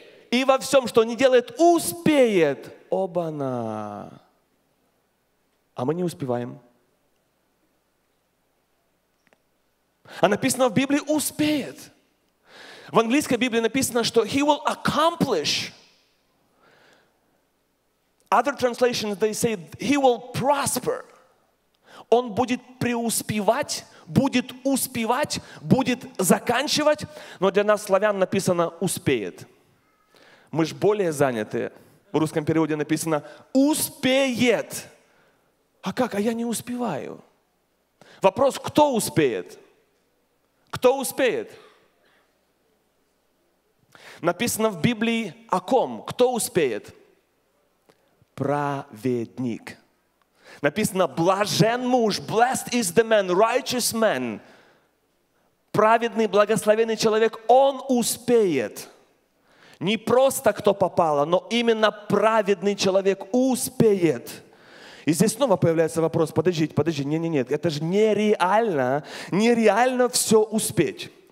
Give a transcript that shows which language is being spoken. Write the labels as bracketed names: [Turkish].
[Russian] И во всем, что он не делает, успеет. Оба-на! А мы не успеваем. А написано в Библии, успеет. В английской Библии написано, что [English] he will accomplish. Other translations, they say, he will prosper. [Russian] Он будет преуспевать, будет успевать, будет заканчивать. Но для нас, славян, написано успеет. Мы ж более заняты. В русском переводе написано успеет. А как? А я не успеваю. Вопрос, кто успеет? Кто успеет? Написано в Библии о ком? Кто успеет? Праведник. Написано, блажен муж, [English] blessed is the man, righteous man. [Russian] Праведный, благословенный человек, он успеет. Не просто кто попало, но именно праведный человек успеет. И здесь снова появляется вопрос, подождите, это же нереально все успеть.